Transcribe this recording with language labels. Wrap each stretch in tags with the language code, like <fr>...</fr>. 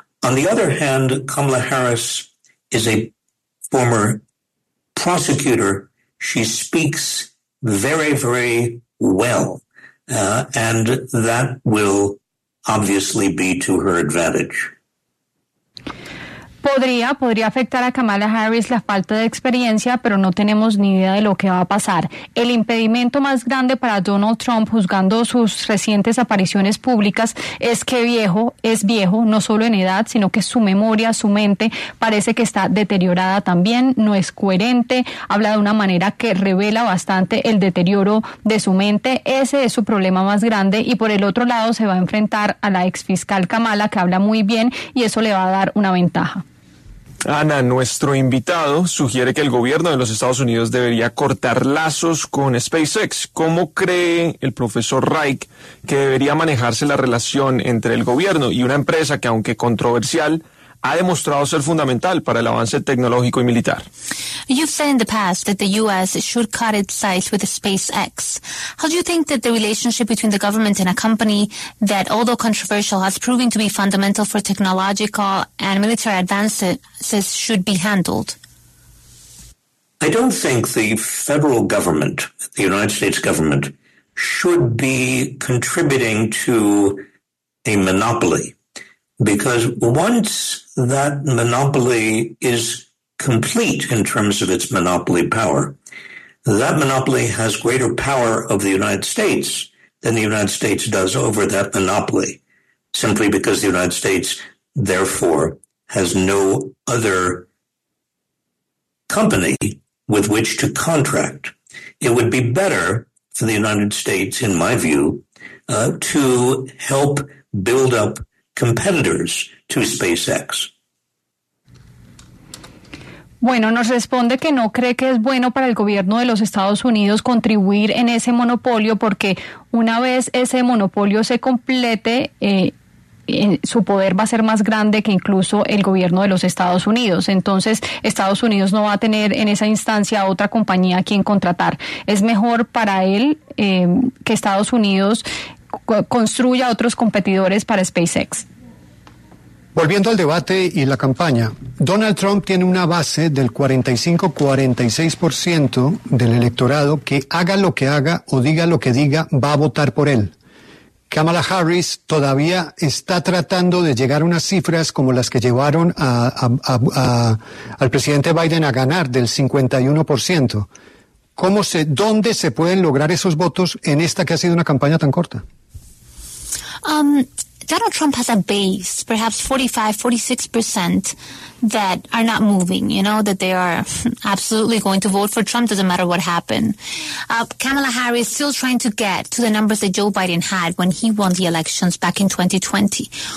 <en>On the other hand, Kamala Harris is a former prosecutor. She speaks very, very well, and that will obviously be to her advantage.</en> <es>Podría afectar a Kamala Harris la falta de experiencia, pero no tenemos ni idea de lo que va a pasar. El impedimento más grande para Donald Trump, juzgando sus recientes apariciones públicas, es que es viejo, no solo en edad, sino que su memoria, su mente, parece que está deteriorada también, no es coherente, habla de una manera que revela bastante el deterioro de su mente. Ese es su problema más grande, y por el otro lado se va a enfrentar a la exfiscal Kamala, que habla muy bien, y eso le va a dar una ventaja. Ana, nuestro invitado sugiere que el gobierno de los Estados Unidos debería cortar lazos con SpaceX. ¿Cómo cree el profesor Reich que debería manejarse la relación entre el gobierno y una empresa que, aunque controversial, ha demostrado ser fundamental para el avance tecnológico y militar?</es> <en>You've said in the past that the U.S. should cut its ties with SpaceX. How do you think that the relationship between the government and a company that, although controversial, has proven to be fundamental for technological and military advances should be handled? I don't think the federal government, the United States government, should be contributing to a monopoly. Because once that monopoly is complete in terms of its monopoly power, that monopoly has greater power over the United States than the United States does over that monopoly, simply because the United States, therefore, has no other company with which to contract. It would be better for the United States, in my view, to help build up competitors to SpaceX.</en> <es>Bueno, nos responde que no cree que es bueno para el gobierno de los Estados Unidos contribuir en ese monopolio, porque una vez ese monopolio se complete, su poder va a ser más grande que incluso el gobierno de los Estados Unidos. Entonces, Estados Unidos no va a tener en esa instancia otra compañía a quien contratar. Es mejor para él que Estados Unidos construya otros competidores para SpaceX. Volviendo al debate y la campaña, Donald Trump tiene una base del 45-46% del electorado que, haga lo que haga o diga lo que diga, va a votar por él. Kamala Harris todavía está tratando de llegar a unas cifras como las que llevaron al presidente Biden a ganar, del 51%. ¿Dónde se pueden lograr esos votos en esta que ha sido una campaña tan corta?</es> <en>Donald Trump has a base, perhaps 45-46%, that are not moving, you know, that they are absolutely going to vote for Trump, doesn't matter what happened. Kamala Harris still trying to get to the numbers that Joe Biden had when he won the elections back in 2020.</en>